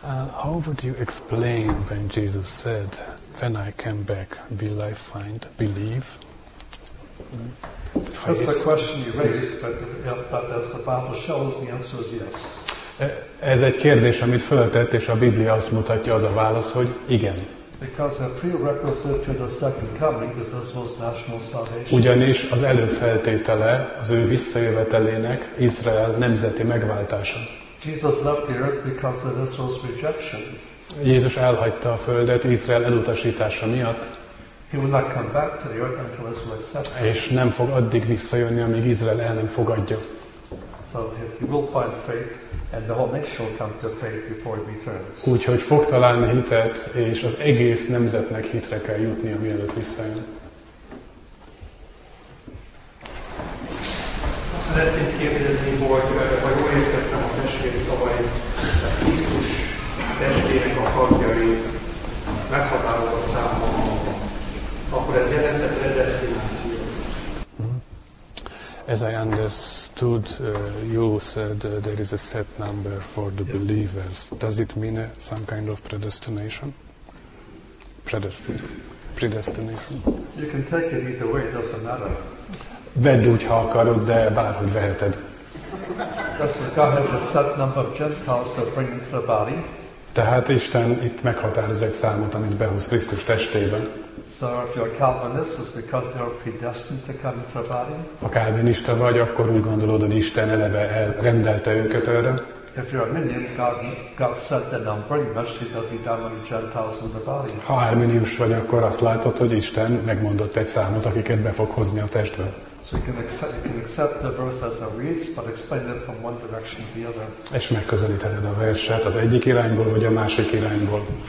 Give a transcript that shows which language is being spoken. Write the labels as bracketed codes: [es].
[en] How would you explain when Jesus said, when I come back, will I find belief? That's the question you raised, but as the Bible shows, the answer is yes. [hu] Ez egy kérdés, amit föltett, és a Biblia azt mutatja, az a válasz, hogy igen. [en] Because a prerequisite to the second coming is this was national salvation. [hu] Ugyanis az előfeltétele az ő visszajövetelének Izrael nemzeti megváltása. [en] Jesus left the earth because of Israel's rejection. [hu] Jézus elhagyta a földet Izrael elutasítása miatt. [en] He will not come back to the earth until Israel accepts. [hu] És nem fog addig visszajönni, amíg Izrael el nem fogadja. [en] So he will find faith. And the whole nation will come to faith before he returns. [hu] Úgyhogy fog találni hitet, és az egész nemzetnek hitre kell jutni, mielőtt visszajön. Szeretném kérdezni, hogy jól értettem a testvér szavait, a Krisztus testvérek a karjai meghatározott számban, akkor ez jelentett predestináció. [en] As I understood, you said there is a set number for the believers. Does it mean some kind of predestination? Predestination. You can take it either way, it doesn't matter. [hu] Vedd úgy, ha akarod, de bárhogy veheted. [en] That's what God has a set number of Gentiles to bring into the body. [hu] Tehát Isten itt meghatároz egy számot, amit behúz Krisztus testében. [en] So if you're a Calvinist, it's because they are predestined to come into the body. [hu] Ha kálvinista vagy, akkor úgy gondolod, hogy Isten eleve elrendelte őket erre. [en] If you're Arminian, God set the number, you must be done with the Gentiles in the body. [hu] Ha arminius vagy, akkor azt látod, hogy Isten megmondott egy számot, akiket be fog hozni a testbe. [en] So you can accept the verse as it reads, but explain it from one direction to the other. [hu] És megközelítheted a verset az egyik irányból, vagy a másik irányból.